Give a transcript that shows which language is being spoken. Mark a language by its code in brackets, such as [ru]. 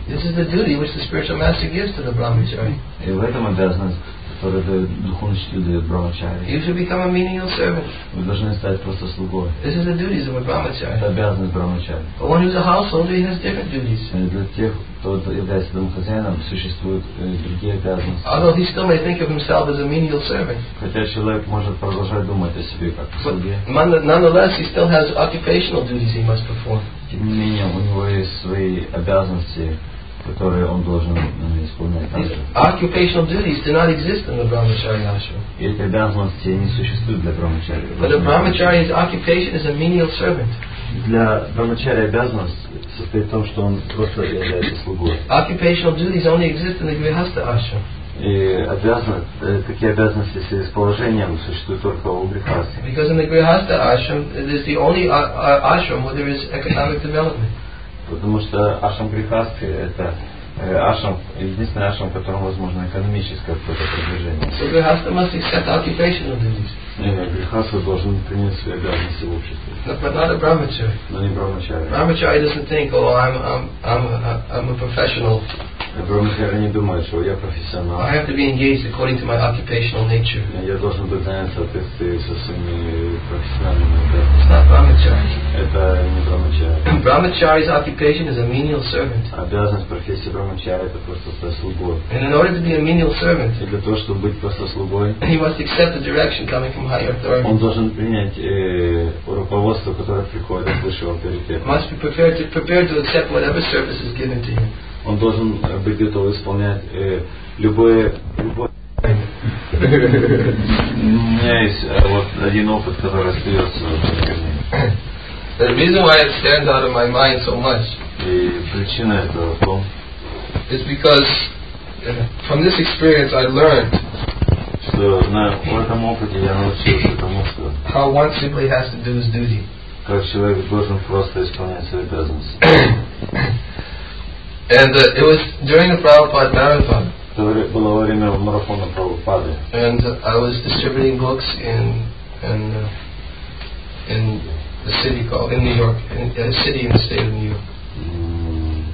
[en] This is the duty which the spiritual master gives to the brahmachari. [ru] И в этом обязанность, который духовный учитель дает брахмачари. [en] You should become a menial servant. [ru] Вы должны стать просто слугой. [en] This is the duties of a brahmachari. [ru] Это обязанность брахмачари. [en] But one who is a householder, he has different duties. [ru] Для тех, кто является домохозяином, существуют другие обязанности. [en] Although he still may think of himself as a menial servant. [ru] Хотя человек может продолжать думать о себе как о слуге. [en] Nonetheless, he still has occupational duties he must perform. [ru] Тем не менее, у него есть свои обязанности, которые он должен исполнять также. [en] Occupational duties do not exist in the brahmachari ashram. [ru] Эти обязанности не существуют для брахмачари. [en] But a brahmachari's occupation is a menial servant. [ru] Для брахмачари обязанность состоит в том, что он просто является слугой. [en] Occupational duties only exist in the grihastha ashram. [ru] И такие обязанности с положением существуют только у грихасты. [en] Because in the grihastha ashram, it is the only ashram where there is economic development. [ru] Потому что ашрам грихасты – это ашрам, единственный ашрам, в котором возможно экономическое какое-то продвижение. [en] So grihastha must accept occupational duties. [ru] Грихасты должен принять свои обязанности в обществе. [en] But not a brahmachari. [ru] Но не брахмачари. [en] Brahmachari doesn't think, oh, I'm a professional. [ru] Брахмачари не думает, что я профессионал. [en] I have to be engaged according to my occupational nature. [ru] Я должен быть занят в соответствии со своими профессиональными обязанностями. [en] It's not brahmachari. [ru] Это не брахмачари. [en] Brahmachari's occupation is a menial servant. [ru] Обязанность профессии брахмачари – это просто стать слугой. [en] And in order to be a menial servant, [ru] и для того, чтобы быть просто слугой, [en] he must accept the direction coming from higher authority. [ru] Он должен принять руководство, которое приходит от высшего авторитета. [en] Must be prepared to accept whatever service is given to him. [ru] Он должен быть готов исполнять любое меня есть вот один опыт, который остается в жизни. [en] The reason why it stands out of my mind so much. [ru] И причина этого в том. [en] Is because from this experience I learned. [ru] Что на этом опыте я научился тому, что. [en] How one simply has to do his duty. [ru] Как человек должен просто исполнять свои обязанности. [en] And it was during the Prabhupada marathon. [ru] Было во время марафона Прабхупады. [en] And I was distributing books in a city called in New York, in a city in the state of New York.